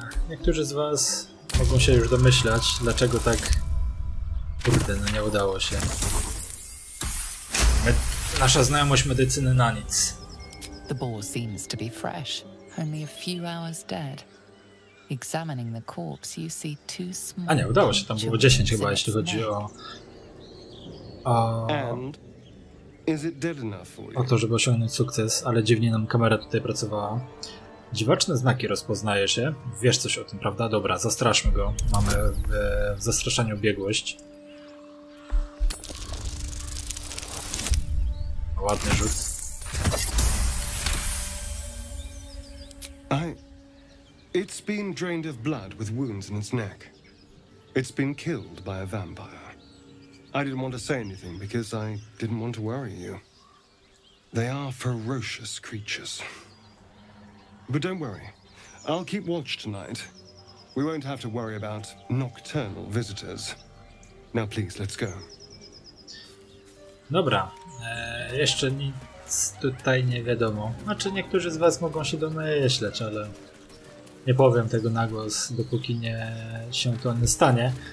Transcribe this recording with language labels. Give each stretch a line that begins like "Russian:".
Polish: Niektórzy z was mogą się już domyślać, dlaczego tak. Kurde, no nie udało się. Nasza znajomość medycyny na nic.
English: The boar seems to be fresh, only a few hours dead. Examining the corpse, you see two small.
Polish: A nie, udało się, tam było 10 chyba, jeśli chodzi o.
English: And is it dead enough for you?
Polish: O to, żeby osiągnąć sukces, ale dziwnie nam kamera tutaj pracowała. Dziwaczne znaki rozpoznaje się. Wiesz coś o tym, prawda? Dobra, zastraszmy go. Mamy w zastraszaniu biegłość. Ładny rzut.
English: It's been drained of blood with wounds in its neck. It's been killed by a vampire. I didn't want to say anything because I didn't want to worry you. They are ferocious creatures. But don't worry. I'll keep watch tonight. We won't have to worry about nocturnal visitors. Now please, let's go.
Polish: Dobra. Jeszcze nic tutaj nie wiadomo. Znaczy niektórzy z was mogą się domyśleć, ale nie powiem tego na głos, dopóki nie się to nie stanie.